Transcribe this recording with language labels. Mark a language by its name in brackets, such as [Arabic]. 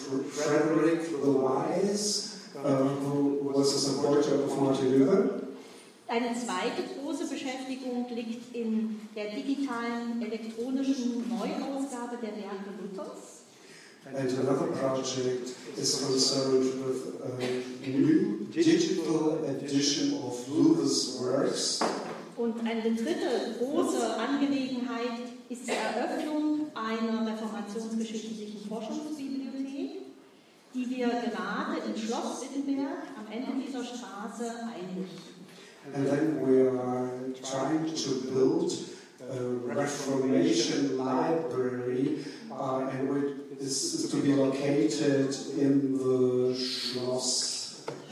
[English] Frederick the Wise, who was a supporter of Martin Luther. [German] Eine zweite große Beschäftigung liegt in der digitalen elektronischen Neuausgabe der Werke Luthers. [English] And another project is concerned with a new digital edition of Luther's works. [German] Und eine dritte große Angelegenheit ist die Eröffnung einer reformationsgeschichtlichen Forschungsbibliothek, die wir gerade im Schloss Wittenberg am Ende dieser Straße einrichten. [English] And then we are trying to build a Reformation Library, and which is to be located in the Schloss.